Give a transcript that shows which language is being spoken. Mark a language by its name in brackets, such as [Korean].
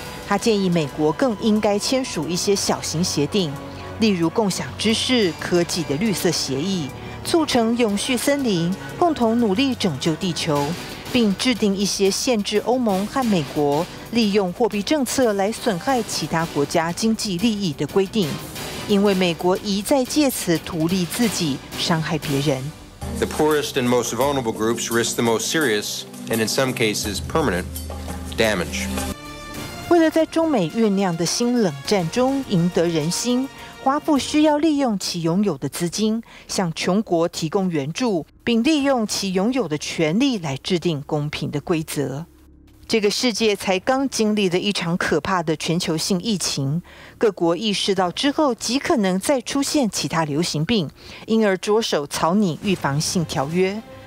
[Chinese] 他建议美国更应该签署一些小型协定，例如共享知识、科技的绿色协议，促成永续森林，共同努力拯救地球，并制定一些限制欧盟和美国利用货币政策来损害其他国家经济利益的规定，因为美国一再借此图利自己，伤害别人。 [English] The poorest and most vulnerable groups risk the most serious and in some cases permanent damage. [Chinese] 为了在中美酝酿的新冷战中赢得人心，华府需要利用其拥有的资金向穷国提供援助，并利用其拥有的权力来制定公平的规则。这个世界才刚经历了一场可怕的全球性疫情，各国意识到之后极可能再出现其他流行病，因而着手草拟预防性条约。